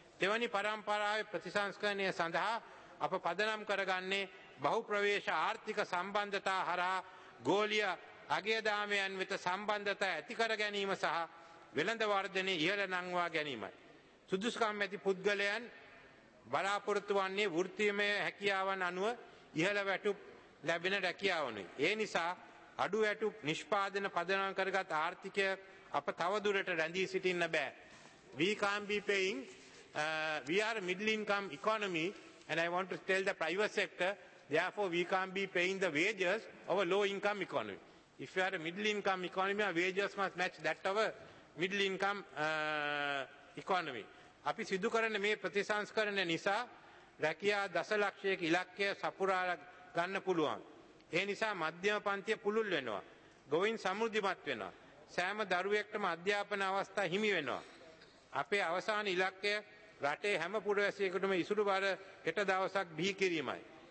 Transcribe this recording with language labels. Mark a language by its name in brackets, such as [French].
[Sinhala] තෙවැනි පරම්පරාවේ ප්‍රතිසංස්කරණය සඳහා අප පදනම් කරගන්නේ බහු ප්‍රවේශ ආර්ථික සම්බන්ධතා හරහා ගෝලීය අගයදාමයන් වෙත සම්බන්ධතා ඇතිකර ගැනීම සහ වෙළඳ වර්ධනයේ ඉහළ නංවා ගැනීමයි. සුදුසුකම් ඇති පුද්ගලයන් බලාපොරොත්තු වන්නේ වෘත්තීයමය හැකියාවන් අනුව ඉහළ වැටුප් ලැබෙන රැකියාවනි. ඒ නිසා අඩු වැටුප් නිෂ්පාදන පදනම් කරගත් ආර්ථිකය අප තවදුරට රැඳී සිටින්න බෑ. [English] We are middle income economy and I want to tell the private sector, therefore we can't be paying the wages of a low income economy. If you are a middle income economy, our wages must match that of a middle income economy. [Sinhala] අපි සිදු කරන මේ ප්‍රතිසංස්කරණ නිසා රැකියා දසලක්ෂයක ඉලක්කය සපුරා ගන්න පුළුවන්. ඒ නිසා මධ්‍යම පන්තිය පුළුල් වෙනවා. ගොවීන් සමෘද්ධිමත් වෙනවා. සෑම දරුවෙක්ටම අධ්‍යාපන අවස්ථා හිමි වෙනවා. අපේ අවසාන ඉලක්කය රටේ හැම පුරවැසියෙකුටම ඉසුරු බර හෙට දවසක් බිහි කිරීමයි.